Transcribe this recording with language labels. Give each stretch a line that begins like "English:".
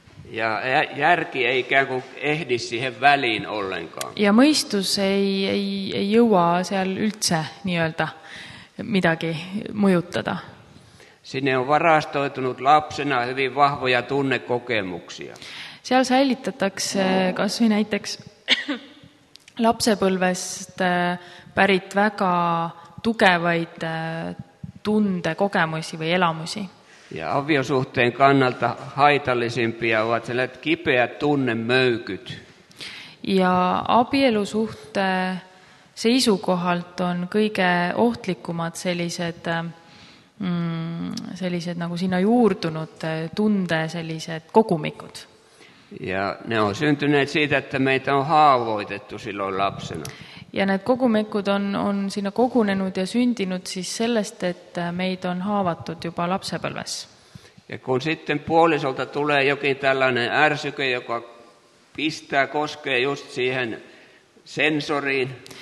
Finnish: Ja järgi ei ikään kuin ehdi siihen väliin ollenkaan.
Estonian: Ja mõistus ei jõua seal üldse nii-öelda midagi mõjutada.
Finnish: Sinne on varastoitunut lapsena hyvin vahvoja tunnekokemuksia.
Estonian: Seal säilitatakse kas või näiteks lapsepõlvest pärit väga tugevaid tunde, kogemusi või elamusi.
Finnish: Ja aviosuhteen kannalta haitallisimpia ovat sellaiset kipeät tunnemöykyt.
Estonian: Ja abielusuhte seisukohalt on kõige ohtlikumad sellised nagu sinna juurdunud tunde sellised kogumikud.
Finnish: Ja ne on syntyneet siitä, että meitä on haavoitettu silloin lapsena.
Estonian: Ja need kogumikud on sinna kogunenud ja sündinud siis sellest, et meid on haavatud juba lapsepõlves.
Finnish: Ja kun sitten puolisolta tulee jokin tällainen ärsyke, joka pistää, koskee just siihen sensoriin.